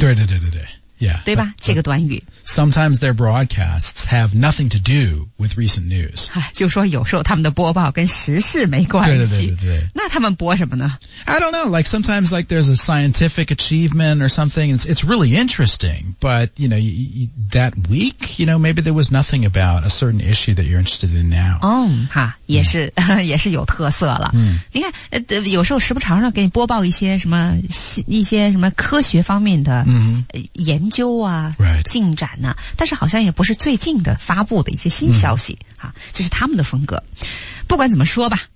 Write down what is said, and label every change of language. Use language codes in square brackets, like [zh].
[zh] 对对对对对。Yeah, 对吧 but, 这个短语。 [en] Sometimes their broadcasts have nothing to do with recent news. [zh] 就说有时候他们的播报跟时事没关系。对对对对对。那他们播什么呢 [en] I don't know, like sometimes like there's a scientific achievement or something, it's really interesting, but you know, that week, you know, maybe there was nothing about a certain issue that you're interested in now. [zh] 也是、也是有特色了。你看、有时候时不常的给你播报一些什么科学方面的研究啊、 [en] right. [zh] 进展啊但是好像也不是最近的发布的一些新消息、这是他们的风格不管怎么说吧、